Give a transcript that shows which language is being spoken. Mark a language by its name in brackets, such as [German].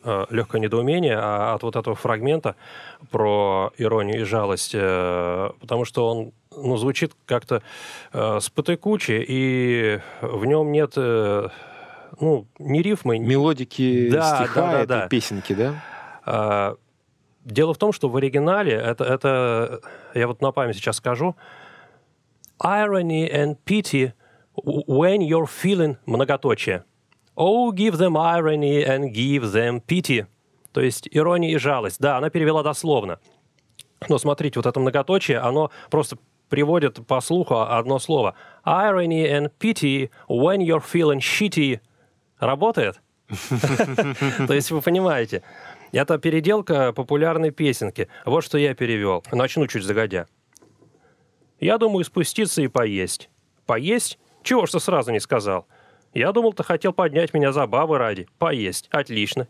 [Russian] легкое недоумение от вот этого фрагмента про иронию и жалость, потому что он звучит как-то с потыкучи, и в нем нет ни рифмы, ни... мелодики, да, стиха, да, да, да. Песенки, да? Дело в том, что в оригинале это я вот на память сейчас скажу: [English] irony and pity when you're feeling [Russian] многоточие. [English] Oh, give them irony and give them pity. [Russian] То есть ирония и жалость. Да, она перевела дословно. Но смотрите, вот это многоточие, оно просто приводит по слуху одно слово. [English] Irony and pity when you're feeling shitty. [Russian] Работает? То есть вы понимаете. Это переделка популярной песенки. Вот что я перевел. Начну чуть загодя. Я думаю спуститься и поесть. Поесть? Чего ж ты сразу не сказал? Я думал, ты хотел поднять меня забавы ради. Поесть. Отлично.